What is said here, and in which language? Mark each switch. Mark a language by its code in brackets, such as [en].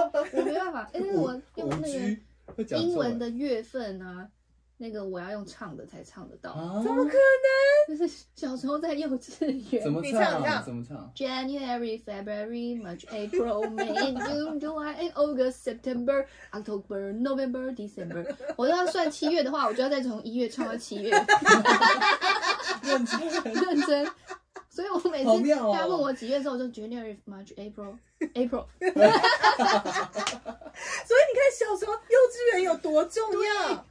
[zh] 1A2B3C4D51 好难哦，我没办法，因为我用那个英文的月份啊，那个我要用唱的才唱得到，怎么可能？就是小时候在幼稚园，怎么唱？怎么唱 [en] ？January, February, March, April, May, June, July, August, September, October, November, December。 [zh] 我要算七月的话，我就要再从一月唱到七月。认真，认真。所以我每次大家问我几月之后，就 [en] January March April April。 [zh] 所以你看小时候幼稚园有多重要？